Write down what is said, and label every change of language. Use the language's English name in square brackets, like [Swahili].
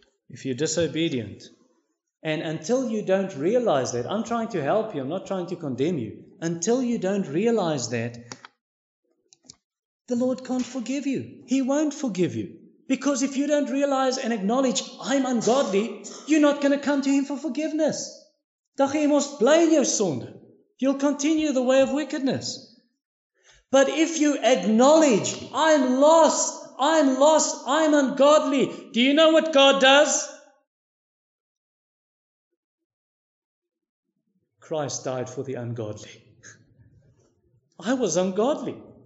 [English] If you're disobedient. And until you don't realize that, I'm trying to help you, I'm not trying to condemn you. Until you don't realize that, the Lord can't forgive you. He won't forgive you. Because if you don't realize and acknowledge, I'm ungodly, you're not going to come to Him for forgiveness. [Afrikaans] Dan gaan jy mos bly in jou sonde. [English] You'll continue the way of wickedness. But if you acknowledge, I'm lost, I'm lost, I'm ungodly, do you know what God does? Christ died for the ungodly. I was ungodly.